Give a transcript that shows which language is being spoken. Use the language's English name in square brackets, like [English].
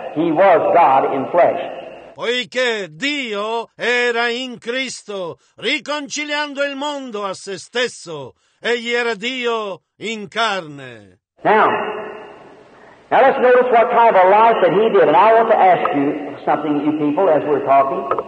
[English] He was God in flesh. [Italian] Poiché Dio era in Cristo, riconciliando il mondo a se stesso. Egli era Dio in carne. [English] Now let's notice what kind of a life that he did. And I want to ask you something, you people, as we're talking.